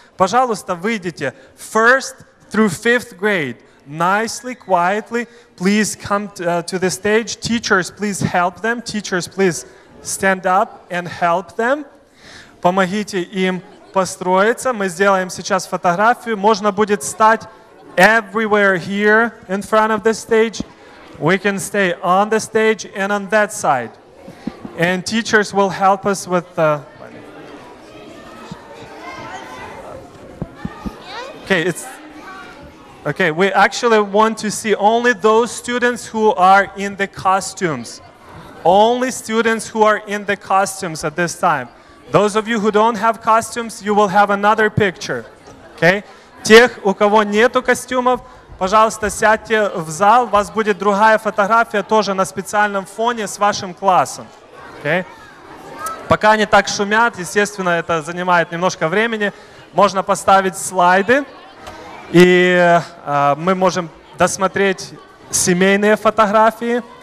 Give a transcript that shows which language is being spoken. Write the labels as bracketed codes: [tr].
[ru] Пожалуйста, выйдите. [en] First through fifth grade. Nicely, quietly, please come to the stage. Teachers, please help them. Teachers, please stand up and help them. [ru] Помогите им построиться. Мы сделаем сейчас фотографию. Можно будет стать [en] everywhere [ru] here in front of the stage. [en] We can stay on the stage and on that side. And teachers will help us with the... Okay, it's... Okay, we actually want to see only those students who are in the costumes. Only students who are in the costumes at this time. Those of you who don't have costumes, you will have another picture. Okay? [ru] Тех, у кого нету костюмов, пожалуйста, сядьте в зал. У вас будет другая фотография тоже на специальном фоне с вашим классом. [en] Okay. [ru] Пока они так шумят, естественно, это занимает немножко времени. Можно поставить слайды, и мы можем досмотреть семейные фотографии.